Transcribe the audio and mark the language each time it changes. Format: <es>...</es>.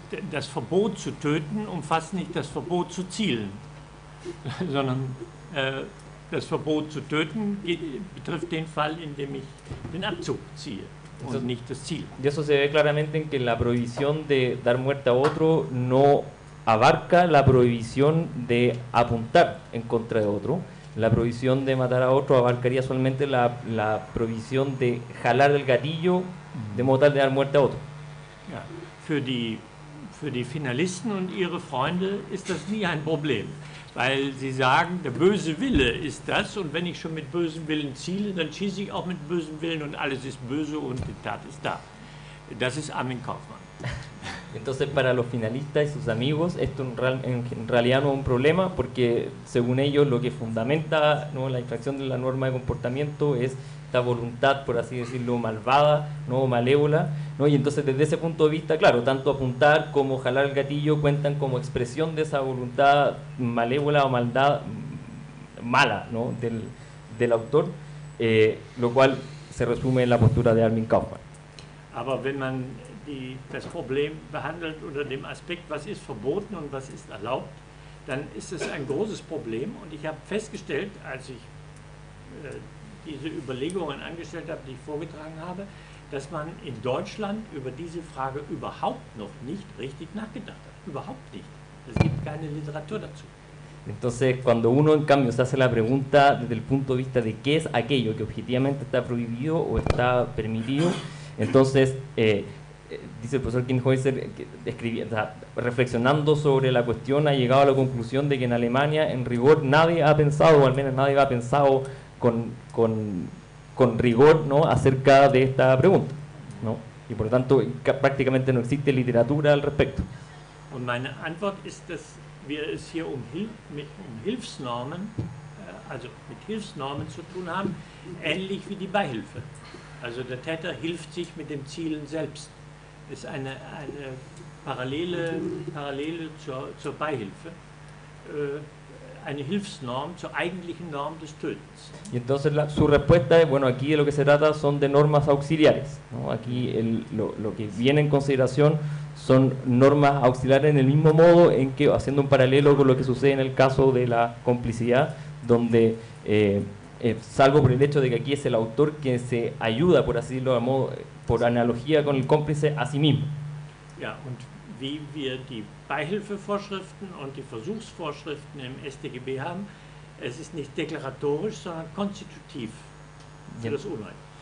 <de>Das Verbot zu töten umfasst nicht das Verbot zu zielen, sondern das Verbot zu töten betrifft den Fall, in dem ich den Abzug ziehe und nicht das Ziel.</de> <es>Y eso se ve claramente en que la prohibición de dar muerte a otro no abarca la prohibición de apuntar en contra de otro. La prohibición de matar a otro abarcaría solamente la prohibición de jalar el gatillo de modo tal de dar muerte a otro.</es> <de>Ja, für die Finalisten und ihre Freunde ist das nie ein Problem, weil sie sagen, der böse Wille ist das und wenn ich schon mit bösem Willen ziele, dann schieße ich auch mit bösem Willen und alles ist böse und die Tat ist da. Das ist Armin Kaufmann.</de> <es>Entonces para los finalistas y sus amigos esto en realidad no es un problema porque según ellos lo que fundamenta, ¿no?, la infracción de la norma de comportamiento es voluntad, por así decirlo, malvada, no malévola, ¿no? Y entonces desde ese punto de vista, claro, tanto apuntar como jalar el gatillo cuentan como expresión de esa voluntad malévola o maldad mala, ¿no?, del autor, lo cual se resume en la postura de Armin Kaufmann.</es> <de>Aber wenn man das Problem behandelt unter dem Aspekt, was ist verboten und was ist erlaubt, dann ist es ein großes Problem und ich habe festgestellt, als ich diese Überlegungen angestellt habe, die ich vorgetragen habe, dass man in Deutschland über diese Frage überhaupt noch nicht richtig nachgedacht hat. Überhaupt nicht. Es gibt keine Literatur dazu.</de> <es>Entonces, cuando uno, en cambio, se hace la pregunta desde el punto de vista de qué es aquello que objetivamente está prohibido o está permitido, entonces, dice el profesor Kienhäuser, reflexionando sobre la cuestión, ha llegado a la conclusión de que en Alemania, en rigor, nadie ha pensado, o al menos nadie ha pensado con rigor, ¿no?, acerca de esta pregunta, ¿no?, y por lo tanto prácticamente no existe literatura al respecto.</es> <de>Und meine Antwort ist, dass wir es hier um Hilfsnormen, also mit Hilfsnormen zu tun haben, ähnlich wie die Beihilfe. Also der Täter hilft sich mit dem Zielen selbst. Ist eine Parallele zur Beihilfe. Eine Hilfsnorm zur eigentlichen Norm des Tötens.</de> <es>Y entonces su respuesta es, bueno, aquí de lo que se trata son de normas auxiliares, ¿no? Aquí lo que viene en consideración son normas auxiliares en el mismo modo en que, haciendo un paralelo con lo que sucede en el caso de la complicidad, donde, salvo por el hecho de que aquí es el autor quien se ayuda, por así decirlo, por analogía con el cómplice, a sí mismo.</es> <de>Ja, und wie wir die Beihilfevorschriften und die Versuchsvorschriften im StGB haben, es ist nicht deklaratorisch, sondern konstitutiv für das Unrecht.</de>